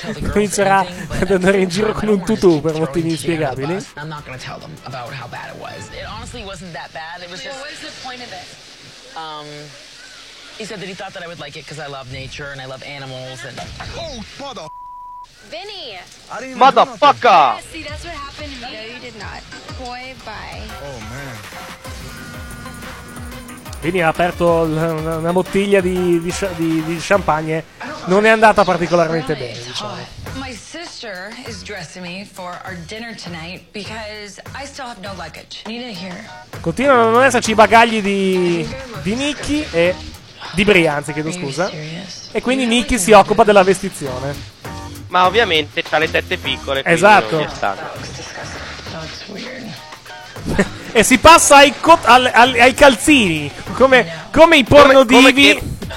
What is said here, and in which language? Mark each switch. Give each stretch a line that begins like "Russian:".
Italian: Comincerà ad andare in giro con un tutù per motivi inspiegabili.
English: I'm not gonna tell them about how bad it was. It honestly wasn't that bad. It was just. What is the point of it? He said that he thought that I would like it because I love nature and I love animals and. Oh, mother. Vinny. Motherfucker. See, that's what happened to me. No, you did not. Koi, bye. Oh man.
Italian: Vinny ha aperto una bottiglia di champagne. Non è andata particolarmente bene, diciamo.
English: My sister is dressing me for our dinner tonight because I still have no luggage. Need it here.
Italian: Continuano a non esserci i bagagli di Nicky e di Brian, chiedo scusa. E quindi Nicky si occupa della vestizione. Ma ovviamente ha le tette piccole. Esatto. Non è stato.
English: That looks disgusting. That looks weird.
Italian: E si passa ai calzini, come i porno divi.